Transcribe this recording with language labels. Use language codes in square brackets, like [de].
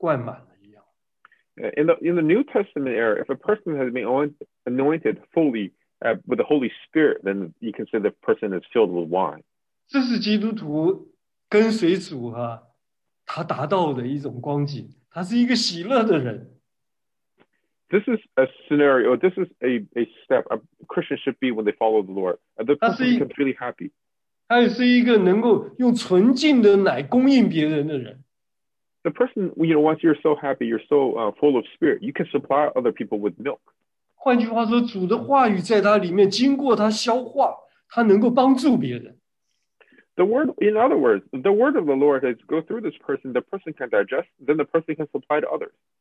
[zh] 我们讲到在新约圣经呢，当一个人被圣灵、被喜乐的灵膏的时候，他好像被酒灌满了一样。 [en] In the New Testament era, if a person has been anointed fully with the Holy Spirit, then you can say the person is filled with wine. [zh] 这是基督徒跟随主啊，他达到的一种光景，他是一个喜乐的人。 [en] This is a scenario, this is a step a Christian should be when they follow the Lord. The person is completely happy. [zh] 他也是一个能够用纯净的奶供应别人的人。 [en] The person, you know, once you're so happy, you're so full of spirit, you can supply other people with milk. [zh] 换句话说,主的话语在他里面经过他消化,他能够帮助别人。 [en] The word, in other words, the word of the Lord has go through this person, the person can digest, then the person can supply to others.